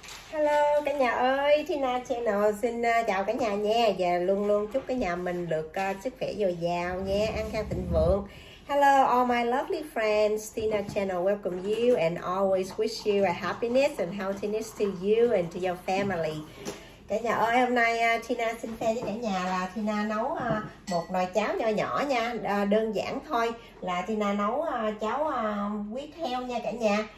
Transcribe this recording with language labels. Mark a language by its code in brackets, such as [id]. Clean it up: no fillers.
[vi] Hello cả nhà ơi, Tina Channel xin chào cả nhà nha. Và luôn luôn chúc cả nhà mình được sức khỏe dồi dào nha, an khang thịnh vượng. [en] Hello all my lovely friends, Tina Channel welcome you and always wish you a happiness and healthiness to you and to your family. [vi] Cả nhà ơi, hôm nay Tina xin share với cả nhà là Tina nấu một nồi cháo nho nhỏ nha, đơn giản thôi, là Tina nấu cháo huyết heo nha cả nhà.